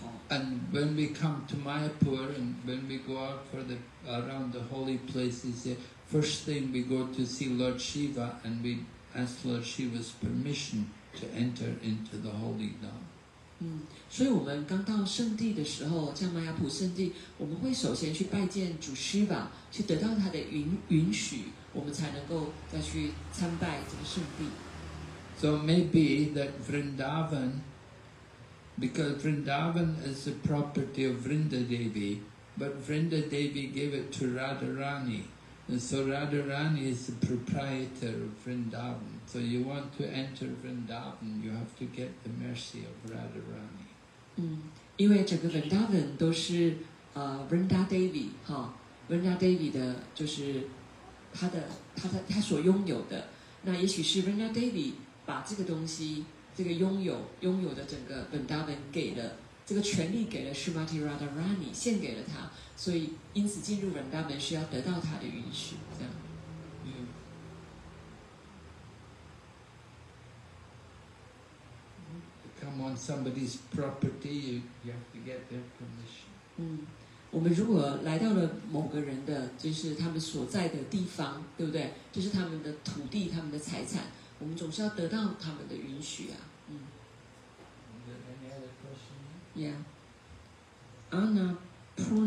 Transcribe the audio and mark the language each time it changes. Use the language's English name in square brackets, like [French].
[English] And when we come to Mayapur and when we go out for the around the holy places, first thing we go to see Lord Shiva and we ask Lord Shiva's permission to enter into the holy Dham. [Chinese] 所以我们刚到圣地的时候，像玛雅普圣地，我们会首先去拜见主师吧，去得到他的允许，我们才能够再去参拜这个圣地。 [English] So maybe that Vrindavan, because Vrindavan is the property of Vrindadevi, but Vrindadevi gave it to Radharani, and so Radharani is the proprietor of Vrindavan. So you want to enter Vrindavan, you have to get the mercy of Radharani. [Chinese] 因为整个 Vrindavan 都是Vrindadevi, 哈 Vrindadevi 的就是他所拥有的，那也许是 Vrindadevi 把这个东西，这个拥有的整个 Vrindavan 给了这个权利给了 Srimati Radharani, 献给了他，所以因此进入 Vrindavan 是要得到他的允许，这样。 [English] Come on somebody's property, you have to get their permission. [Chinese] 我们如果来到了某个人的，就是他们所在的地方，对不对？就是他们的土地，他们的财产，我们总是要得到他们的允许啊。 [English] Is there any other question?